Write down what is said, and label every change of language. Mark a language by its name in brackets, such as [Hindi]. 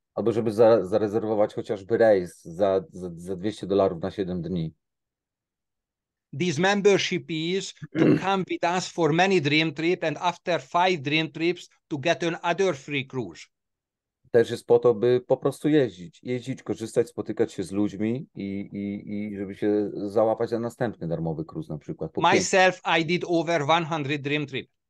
[Polish] Albo żeby zarezerwować chociażby rejs za $200 na 7 dni. [English] This membership is to come with us for many dream trips and after 5 dream trips to get another free cruise. [Polish] Też jest po to, by po prostu jeździć. Jeździć, korzystać, spotykać się z ludźmi i żeby się załapać na następny darmowy cruise na przykład. [English] Myself, I did over 100 dream trips.